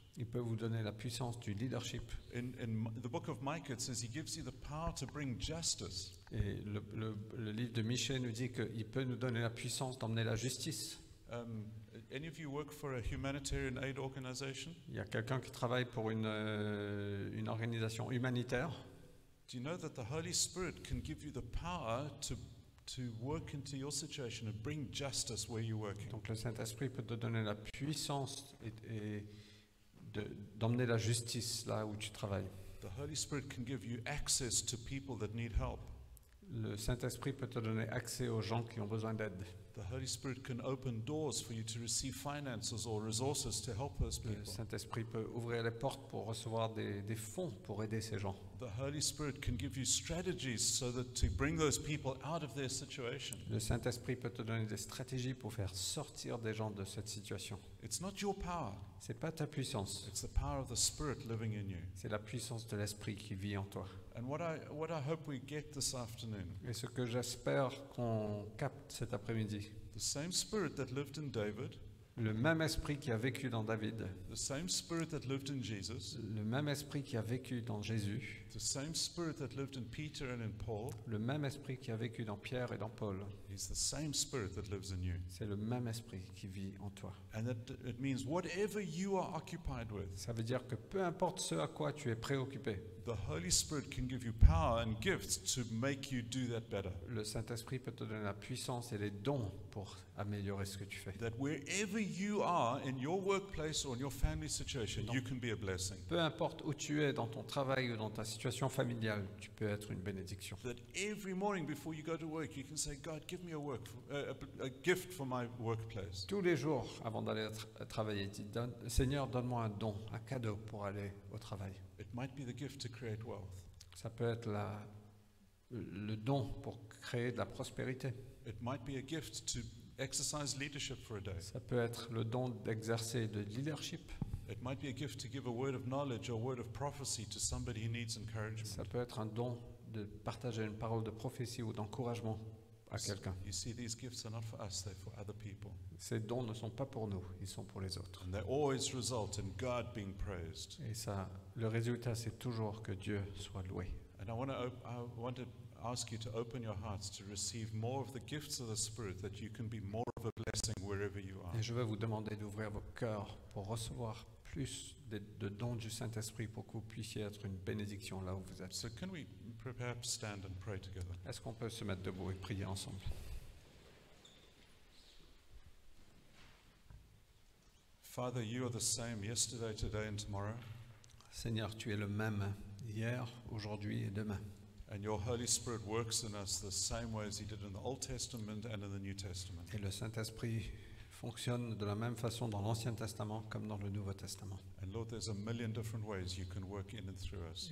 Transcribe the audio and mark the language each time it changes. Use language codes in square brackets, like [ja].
[fr] Il peut vous donner la puissance du leadership. [en] In the book of Micah, it says he gives you the power to bring justice. [fr] Et le livre de Michée nous dit qu'il peut nous donner la puissance d'emmener la justice. [en] Any of you work for a humanitarian aid organization? [fr] Il y a quelqu'un qui travaille pour une organisation humanitaire. [en] Do you know that the Holy Spirit can give you the power to work into your situation and bring justice where you're working? [fr] Donc le Saint-Esprit peut te donner la puissance et d'emmener la justice là où tu travailles. [en] The Holy Spirit can give you access to people that need help. [fr] Le Saint-Esprit peut te donner accès aux gens qui ont besoin d'aide. [en] The Holy Spirit can open doors for you to receive finances or resources to help those people. [fr] Le Saint-Esprit peut ouvrir les portes pour recevoir des fonds pour aider ces gens. [en] The Holy Spirit can give you strategies so that to bring those people out of their situation. [fr] Le Saint-Esprit peut te donner des stratégies pour faire sortir des gens de cette situation. [en] It's not your power. [fr] C'est pas ta puissance. [en] It's the power of the Spirit living in you. [fr] C'est la puissance de l'Esprit qui vit en toi. [en] And what I hope we get this afternoon. [fr] Et ce que j'espère qu'on capte cet après-midi. [en] The same Spirit that lived in David. [fr] Le même esprit qui a vécu dans David. [en] The same spirit that lived in Jesus. [fr] Le même esprit qui a vécu dans Jésus. [en] The same spirit that lived in Peter and in Paul. [fr] Le même esprit qui a vécu dans Pierre et dans Paul. [en] It's the same spirit that lives in you. [fr] C'est le même esprit qui vit en toi. [en] And it means whatever you are occupied with. [fr] Ça veut dire que peu importe ce à quoi tu es préoccupé. [en] The Holy Spirit can give you power and gifts to make you do that better. [fr] Le Saint-Esprit peut te donner la puissance et les dons pour améliorer ce que tu fais. [en] That wherever you are in your workplace or in your family situation, you can be a blessing. [fr] Peu importe où tu es dans ton travail ou dans ta situation familiale, tu peux être une bénédiction. [en] That every morning before you go to work, you can say, God, give me a gift for my workplace. [fr] Tous les jours avant d'aller travailler, dis, Seigneur, donne-moi un don, un cadeau pour aller au travail. [en] It might be the gift to create wealth. [fr] Ça peut être le don pour créer de la prospérité. [en] It might be a gift to exercise leadership for a day. [fr] Ça peut être le don d'exercer de leadership. [en] It might be a gift to give a word of knowledge or a word of prophecy to somebody who needs encouragement. [fr] Ça peut être un don de partager une parole de prophétie ou d'encouragement à quelqu'un. [en] You see, these gifts are not for us, they're for other people. [fr] Ces dons ne sont pas pour nous, ils sont pour les autres. [en] And they always result in God being praised. [fr] Et ça, le résultat, c'est toujours que Dieu soit loué. [en] And I want to ask you to open your hearts to receive more of the gifts of the Spirit that you can be more of a blessing wherever you are. [fr] Et je vais vous demander d'ouvrir vos cœurs pour recevoir plus de dons du Saint-Esprit pour que vous puissiez être une bénédiction là où vous êtes. [en] So can we perhaps stand and pray together? [fr] Est-ce qu'on peut se mettre debout et prier ensemble? [en] Father, you are the same yesterday, today and tomorrow. [fr] Seigneur, tu es le même hier, aujourd'hui et demain. [en] And your Holy Spirit works in us the same way as he did in the Old Testament and in the New Testament. [fr] Et le Saint-Esprit fonctionne de la même façon dans l'Ancien Testament comme dans le Nouveau Testament. [en] And Lord, there's a million different ways you can work in and through us.